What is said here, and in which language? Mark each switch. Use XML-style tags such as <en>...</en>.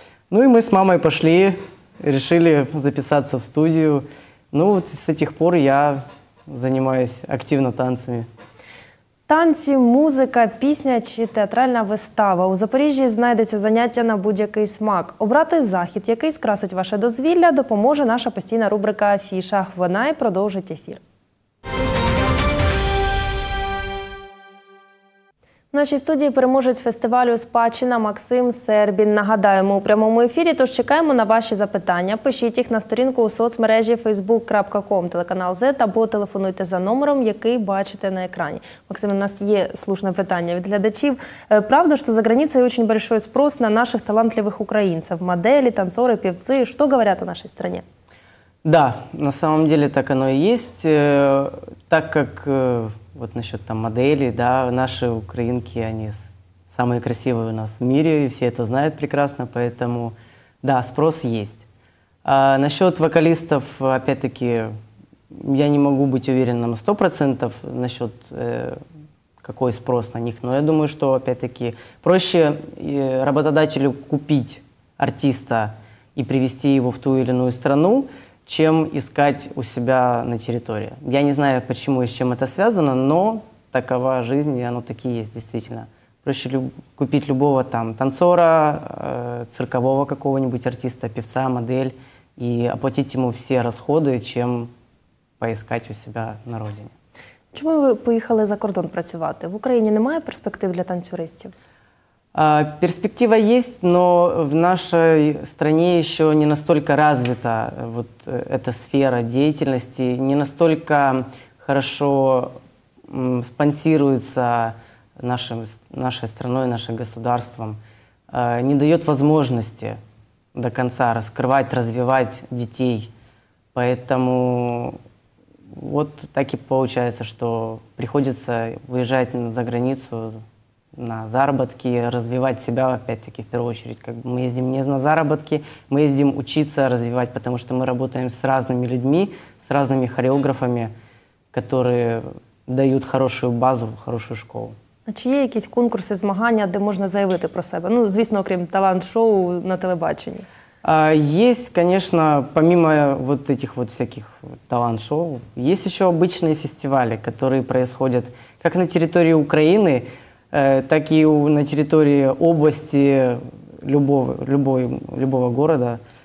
<ru>Ну и мы с мамой пошли, решили записаться в студию. Ну вот с этих пор я занимаюсь активно танцами.</ru> <uk>Танці, музика, пісня чи театральна вистава. У Запоріжжі знайдеться заняття на будь-який смак. Обрати захід, який скрасить ваше дозвілля, допоможе наша постійна рубрика «Афіша». Вона і продовжить ефір. В нашій студії переможець фестивалю «Спадщина» Максим Сербін. Нагадаємо, у прямому ефірі, тож чекаємо на ваші запитання. Пишіть їх на сторінку у соцмережі facebook.com телеканал Z або телефонуйте за номером, який бачите на екрані. Максим, у нас є слушне питання від глядачів. Правда, що за границей дуже великий спрос на наших талантливих українців? Моделі, танцори, півці? Що говорять о нашій країні?</uk> <ru>Да, на самом деле так оно и есть, так как вот насчет там моделей, да, наши украинки, они самые красивые у нас в мире, и все это знают прекрасно, поэтому, да, спрос есть. А насчет вокалистов, опять-таки, я не могу быть уверенным 100% насчет какой спрос на них, но я думаю, что, опять-таки, проще работодателю купить артиста и привезти его в ту или иную страну, чем искать у себя на территории. Я не знаю, почему и с чем это связано, но такова жизнь, и оно таки есть, действительно. Проще купить любого там танцора, циркового какого-нибудь артиста, певца, модель, и оплатить ему все расходы, чем поискать у себя на родине.</ru> <uk>Чому ви поїхали за кордон працювати? В Україні немає перспектив для танцюристів?</uk> <ru>Перспектива есть, но в нашей стране еще не настолько развита вот эта сфера деятельности, не настолько хорошо спонсируется нашей страной, нашим государством, не дает возможности до конца раскрывать, развивать детей. Поэтому вот так и получается, что приходится выезжать за границу на заработки, развивать себя, опять-таки, в первую очередь. Как бы мы ездим не на заработки, мы ездим учиться, развивать, потому что мы работаем с разными людьми, с разными хореографами, которые дают хорошую базу, хорошую школу.</ru> <uk>А чи є якісь конкурси, змагання, де можна заявити про себе? Ну, звісно, окрім талант-шоу на телебаченні.</uk> <ru>Есть, конечно, помимо вот этих вот всяких талант-шоу, есть еще обычные фестивали, которые происходят как на территории Украины, так и на территории области любого города.</ru>